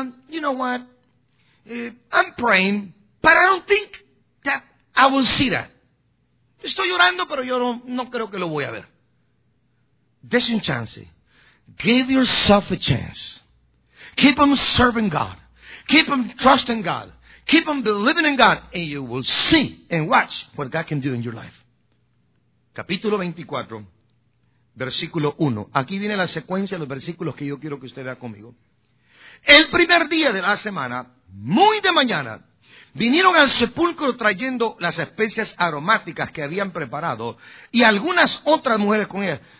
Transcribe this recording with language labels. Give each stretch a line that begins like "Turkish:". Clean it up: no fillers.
English: You know what? I'm praying, but I don't think that I will see that.
Spanish: Estoy orando, pero yo no creo que lo voy a ver.
English: This is a chance. Give yourself a chance. Keep on serving God. Keep on trusting God. Keep on believing in God, and you will see and watch what God can do in your life.
Spanish: Capítulo 24, versículo 1. Aquí viene la secuencia de los versículos que yo quiero que usted vea conmigo. El primer día de la semana, muy de mañana, vinieron al sepulcro trayendo las especias aromáticas que habían preparado y algunas otras mujeres con ellas.